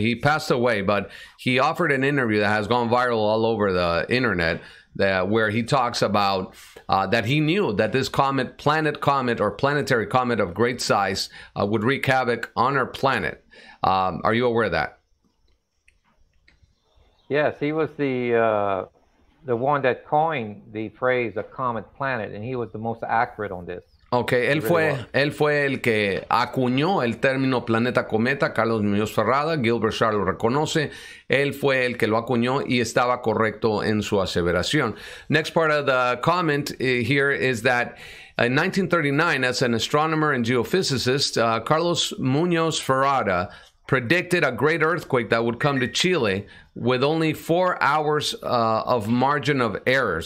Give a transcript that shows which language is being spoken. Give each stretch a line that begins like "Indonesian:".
English: He passed away, but he offered an interview that has gone viral all over the internet where he talks about that he knew that this comet, planet comet or planetary comet of great size would wreak havoc on our planet. Are you aware of that? Yes, he was the one that coined the phrase a comet planet, and he was the most accurate on this.
Spanish: Okay, él fue el que acuñó el término planeta cometa, Carlos Muñoz Ferrada. Gilbert Shar lo reconoce. Él fue el que lo acuñó y estaba correcto en su aseveración.
English: Next part of the comment here is that in 1939, as an astronomer and geophysicist, Carlos Muñoz Ferrada predicted a great earthquake that would come to Chile with only 4 hours of margin of error.